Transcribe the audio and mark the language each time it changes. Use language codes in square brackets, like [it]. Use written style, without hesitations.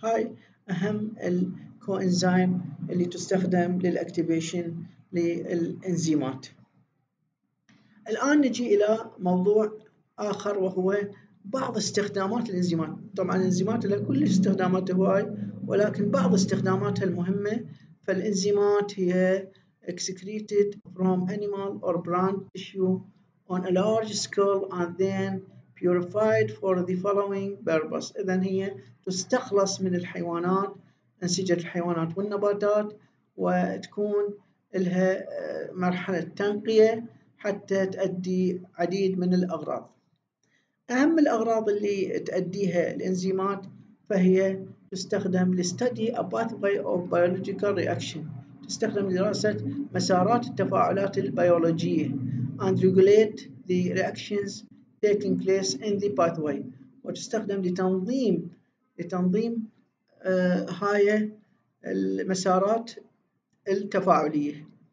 [ar] هاي أهم الكوإنزيم اللي تستخدم للأكتيفيشن للإنزيمات. الآن نجي إلى موضوع آخر وهو بعض استخدامات الإنزيمات. طبعاً الإنزيمات لها كل استخدامات هواي، ولكن بعض استخداماتها المهمة. فالإنزيمات هي [en] excreted from animal or plant tissue on a large scale and then purified for the following purpose. [ar] إذن هي تستخلص من الحيوانات، أنسجة الحيوانات والنباتات، وتكون لها مرحلة تنقية حتى تؤدي عديد من الأغراض. أهم الأغراض اللي تؤديها الإنزيمات فهي تستخدم لستدي [en] a pathway of biological reaction، [ar] تستخدم لدراسة مسارات التفاعلات البيولوجية، [en] and regulate the reactions taking place in the pathway، [ar] وتستخدم لتنظيم هاي المسارات التفاعلية.